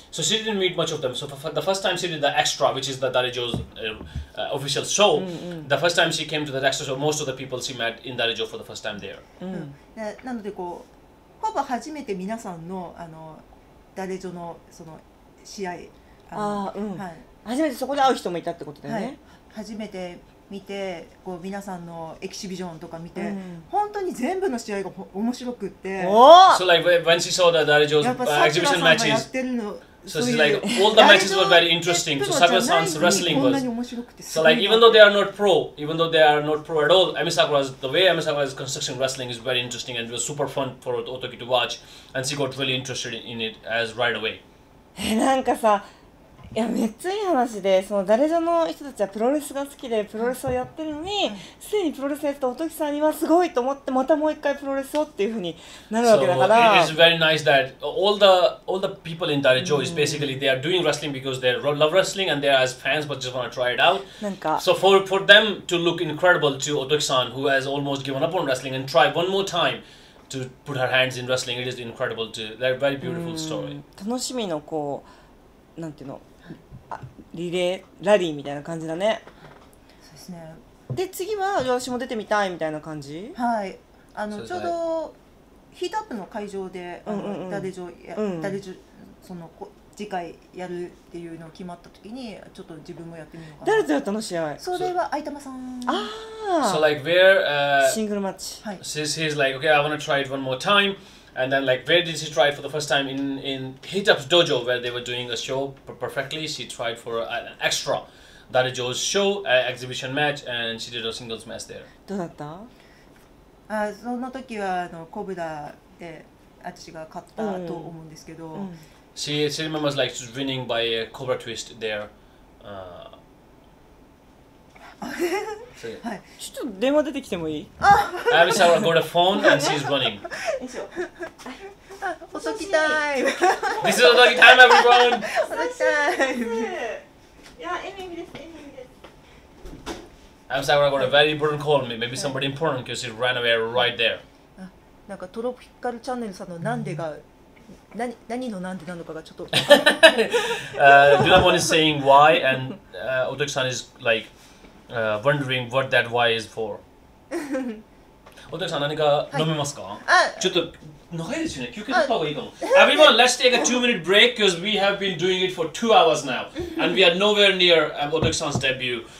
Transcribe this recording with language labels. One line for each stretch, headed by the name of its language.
English: So she didn't meet much of them. So for the first time she did the extra, which is the dojo's official show. Mm-hmm. The first time she came to the extra show, most of the people she met in dojo for the first time there.
Japanese: 見てこう皆さんのエキシビジョンとか見て、うん、本当に全部の試合が面白くって、
English: So like when she saw the Darijo's exhibition matches, so she's like all the matches were very interesting. So Sakura-san's wrestling was so like even though they are not pro, even though they are not pro at all, Ami Sakura's the way Ami Sakura's construction wrestling is very interesting and it was super fun for Otoki to watch, and she got really interested in it as right away.
Japanese: なんかさ。いやめっちゃいい話で、その誰ぞの人たちはプロレスが好きでプロレスをやってるのに、すでにプロレスやってたおときさんにはすごいと思って、またもう一回プロレスをっていうふうになるわけだから。
English: So it is very nice that all the people in Darijo is basically they are doing wrestling because they love wrestling and they are as fans but just want to try it out.
Japanese: なんか。
English: So for them to look incredible to Otoki-san who has almost given up on wrestling and try one more time to put her hands in wrestling, it is incredible too. They're a very beautiful story.
Japanese: 楽しみのこう、なんていうのリレー、ラリーみたいな感じだね。そうですね。で、次は私も出てみたいみたいな感じ？はい。あの、ちょうどヒートアップの会場で、ダデジョ、ダデジョ、その、次回やるっていうのを決まった時に、ちょっと自分もやってみようかな。誰とやったの試合？それは、相玉さん。ああ。
English: So like where,
Japanese: シングルマッチ。はい。
English: Since he's like, okay, I want to try it one more time. And then like where did she try for the first time in Hit Up's dojo where they were doing a show perfectly, she tried for an extra Darijo's show, an exhibition match, and she did a singles match there.
Japanese: どうだった？あ、その時はあのコブラで私が勝ったと思うんですけど。
English: She remembers like winning by a cobra twist there.
Japanese: ちょっと電話出てきてもいい？
English: アビサワー got a phone and she's running.
Japanese: おときタイム。
English: This is おときタイム everyone.
Japanese: おときタイム。いや、エミミです、エミミです。
English: アビサワー got a very important call. Maybe somebody important because she ran away right there.
Japanese: なんかトロピカルチャンネルさんのなんでが、何のなんでなのかがちょっと。
English: Dunamon is saying why and Otoki-san is like. Wondering what that why is for. Otoki-san,
Japanese: 何か飲めますか？ちょっと長いですよね。休憩取った方がいいかも。
English: Everyone, let's take a 2-minute break because we have been doing it for 2 hours now and we are nowhere near Otoki-san's debut.